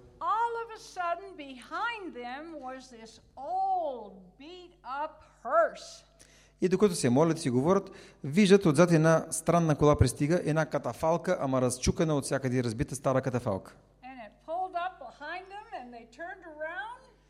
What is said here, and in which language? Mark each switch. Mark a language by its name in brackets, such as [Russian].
[English] All of a sudden behind them was this old beat up hearse. [Bulgarian] И докато се молят и си говорят, виждат отзад една странна кола пристига, една катафалка, ама разчукана от всякъде, разбита стара катафалка. [English] And it pulled up behind them and they turned around.